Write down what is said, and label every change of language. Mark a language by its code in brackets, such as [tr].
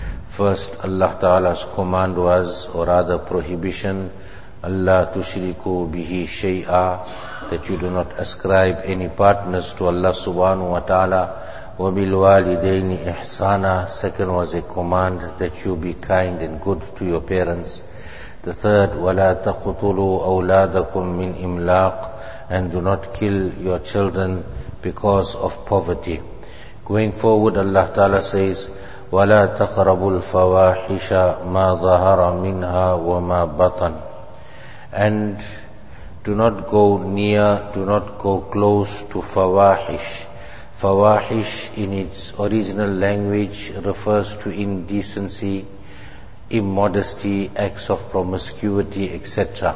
[en] First, Allah Ta'ala's command was, or rather prohibition, [ar] Allah tushriku bihi shay'a, [en] that you do not ascribe any partners to Allah Subhanahu wa Ta'ala. [ar] Wa bil walidaini ihsana, [en] second was a command that you be kind and good to your parents. The third, [ar] wala taqtulu awladakum min imlaq, [en] and do not kill your children because of poverty. Going forward, Allah Ta'ala says, [ar] وَلَا تَقْرَبُوا الْفَوَاحِشَ مَا ظَهَرَ مِنْهَا وَمَا بَطَنَ. [en] And do not go near, do not go close to fawahish. Fawahish in its original language refers to indecency, immodesty, acts of promiscuity, etc.